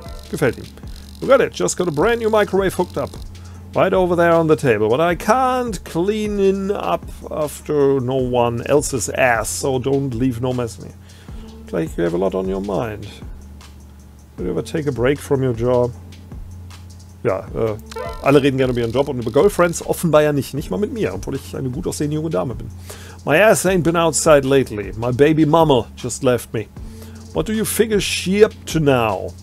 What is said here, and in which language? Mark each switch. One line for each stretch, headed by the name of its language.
German: Gefällt ihm.
English: You got it. Just got a brand new microwave hooked up. Right over there on the table. But I can't clean it up after no one else's ass. So don't leave no mess in here. Look like you have a lot on your mind. Would you ever take a break from your job?
German: Ja, alle reden gerne über ihren Job und über Girlfriends, offenbar ja nicht. Nicht mal mit mir, obwohl ich eine gut aussehende junge Dame bin.
English: My ass ain't been outside lately. My baby mama just left me. What do you figure she up to now?